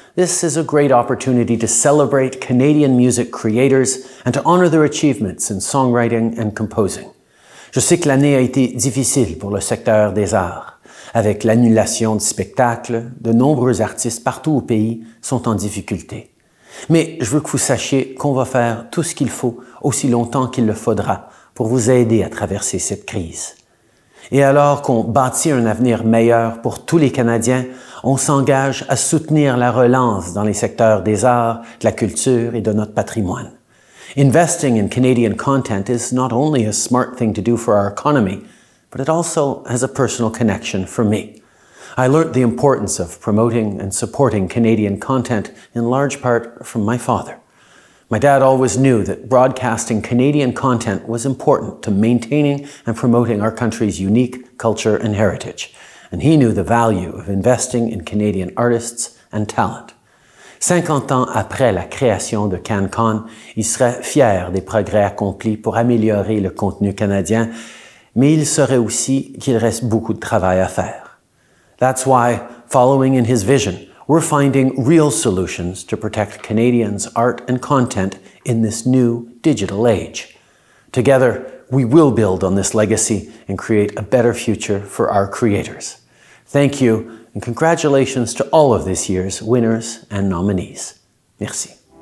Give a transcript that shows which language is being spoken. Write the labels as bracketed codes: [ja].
[en] This is a great opportunity to celebrate Canadian music creators and to honor their achievements in songwriting and composing. [fr] Je sais que l'année a été difficile pour le secteur des arts. Avec l'annulation de spectacles, de nombreux artistes partout au pays sont en difficulté. Mais je veux que vous sachiez qu'on va faire tout ce qu'il faut aussi longtemps qu'il le faudra pour vous aider à traverser cette crise. Et alors qu'on bâtit un avenir meilleur pour tous les Canadiens, on s'engage à soutenir la relance dans les secteurs des arts, de la culture et de notre patrimoine. [en] Investing in Canadian content is not only a smart thing to do for our economy, but it also has a personal connection for me. I learned the importance of promoting and supporting Canadian content in large part from my father. My dad always knew that broadcasting Canadian content was important to maintaining and promoting our country's unique culture and heritage. And he knew the value of investing in Canadian artists and talent. [fr] 50 ans après la création de CanCon, il serait fier des progrès accomplis pour améliorer le contenu canadien, mais il saurait aussi qu'il reste beaucoup de travail à faire. [en] That's why, following in his vision, we're finding real solutions to protect Canadians' art and content in this new digital age. Together, we will build on this legacy and create a better future for our creators. Thank you, and congratulations to all of this year's winners and nominees. [fr] Merci.